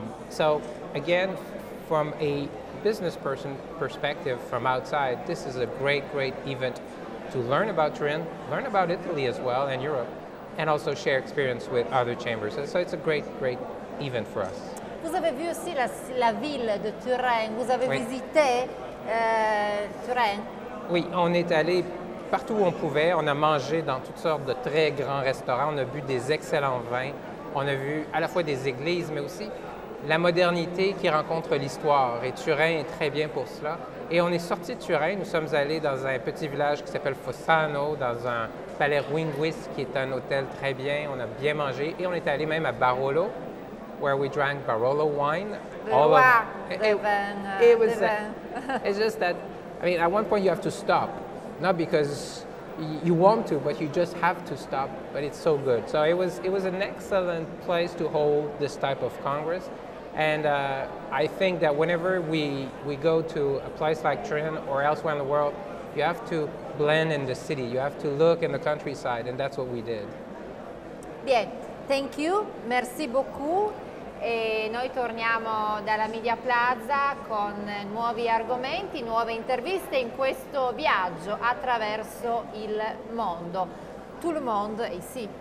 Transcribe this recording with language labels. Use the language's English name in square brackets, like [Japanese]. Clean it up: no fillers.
[English] So again, from a business person perspective from outside, this is a great, great event to learn about Turin, learn about Italy as well and Europe, and also share experience with other chambers. So it's a great, great event for us. [French] Vous avez vu aussi la ville de Turin. Vous avez visité Turin. Oui, on est allé partout où on pouvait. On a mangé dans toutes sortes de très grands restaurants. On a bu des excellents vins. On a vu à la fois des églises, mais aussi la modernité qui rencontre l'histoire. Et Turin est très bien pour cela. Et on est sorti de Turin. Nous sommes allés dans un petit village qui s'appelle Fossano, dans un palais Ruinguis, qui est un hôtel très bien. On a bien mangé. Et on est allé même à Barolo, [English] where we drank Barolo wine. It's just that, I mean, at one point you have to stop. Not because you want to, but you just have to stop. But it's so good. So it was an excellent place to hold this type of congress. And I think that whenever we go to a place like Turin or elsewhere in the world, you have to blend in the city. You have to look in the countryside, and that's what we did. [French] Bien, [English] thank you. [French] Merci beaucoup. [Italian] E noi torniamo dalla Media Plaza con nuovi argomenti, nuove interviste in questo viaggio attraverso il mondo. [French] Tout le monde ici.